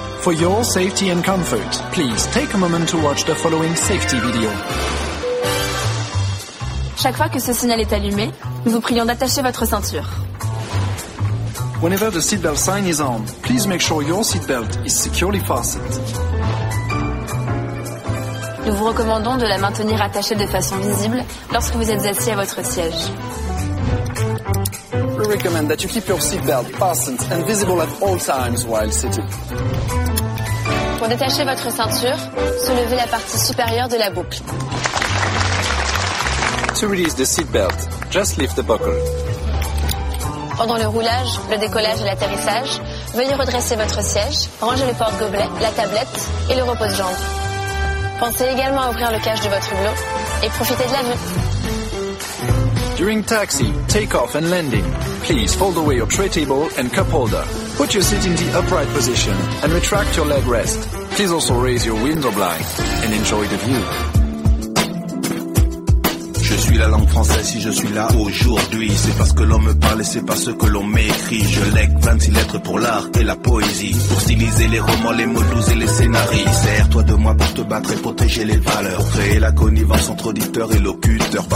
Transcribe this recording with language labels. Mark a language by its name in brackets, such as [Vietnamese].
[English] For your safety and comfort, please take a moment to watch the following safety video. [French] Chaque fois que ce signal est allumé, nous vous prions d'attacher votre ceinture. [English] Whenever the seatbelt sign is on, please make sure your seatbelt is securely fastened. [French] Nous vous recommandons de la maintenir attachée de façon visible lorsque vous êtes assis à votre siège. [English] We recommend that you keep your seatbelt fastened and visible at all times while sitting. [French] Pour détacher votre ceinture, soulevez la partie supérieure de la boucle. [English] To release the seatbelt, just lift the buckle. [French] Pendant le roulage, le décollage et l'atterrissage, veuillez redresser votre siège, ranger le porte-gobelet, la tablette et le repose-jambe. Pensez également à ouvrir le cache de votre hublot et profitez de la vue. [English] During taxi, take-off and landing, please fold away your tray table and cup holder. Put your seat in the upright position and retract your leg rest. Please also raise your window blind and enjoy the view. [French] Je suis la langue française, si je suis là aujourd'hui, c'est parce que l'on me parle et c'est parce que l'on m'écrit. Je lègue 26 lettres pour l'art et la poésie, pour styliser les romans, les mots doux et les scénarios. Sers-toi de moi pour te battre et protéger les valeurs, créer la connivence entre auditeurs et locuteurs.